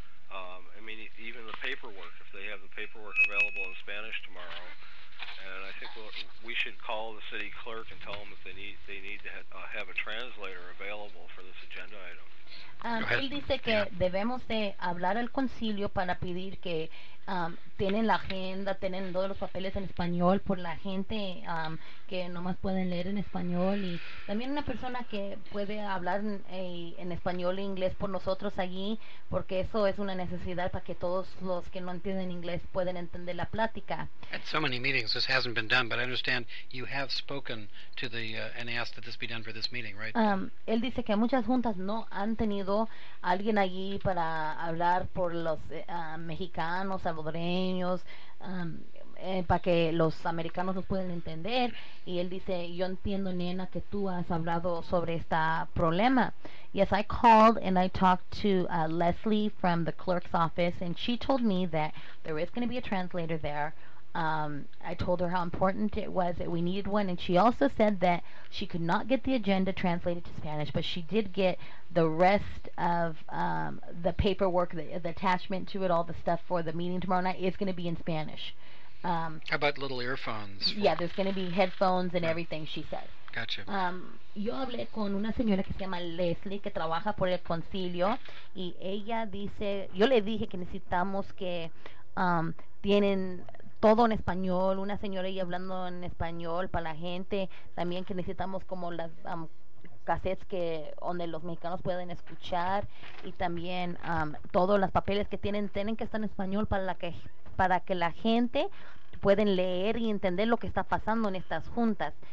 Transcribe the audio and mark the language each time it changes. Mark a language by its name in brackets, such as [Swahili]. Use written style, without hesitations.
[English] I mean, even the paperwork, if they have the paperwork available in Spanish tomorrow, and I think we should call the city clerk and tell them that they need to have a translator available for this agenda item. [Spanish] Él dice que debemos de hablar al concilio para pedir que tienen la agenda, tienen todos los papeles en español por la gente que nomás pueden leer en español, y también una persona que puede hablar en español e inglés por nosotros allí, porque eso es una necesidad para que todos los que no entienden inglés puedan entender la plática. [English] At so many meetings this hasn't been done, but I understand you have spoken to the and asked that this be done for this meeting, right? [Spanish] Él dice que muchas juntas no han tenido alguien allí para hablar por los mexicanos, salvadoreños, para que los americanos los puedan entender. Y él dice, yo entiendo, nena, que tú has hablado sobre este problema. [English] Yes, I called and I talked to Leslie from the clerk's office, and she told me that there is going to be a translator there. I told her how important it was that we needed one, and she also said that she could not get the agenda translated to Spanish, but she did get the rest of the paperwork, the attachment to it, all the stuff for the meeting tomorrow night is going to be in Spanish. How about little earphones? Yeah, there's going to be headphones and everything, she said. Gotcha. [Spanish] Yo hablé con una señora que se llama Leslie, que trabaja por el concilio, y ella dice, yo le dije que necesitamos que tienen todo en español, una señora ahí hablando en español para la gente, también que necesitamos como las cassettes que donde los mexicanos pueden escuchar, y también todos los papeles que tienen que estar en español para que la gente pueden leer y entender lo que está pasando en estas juntas.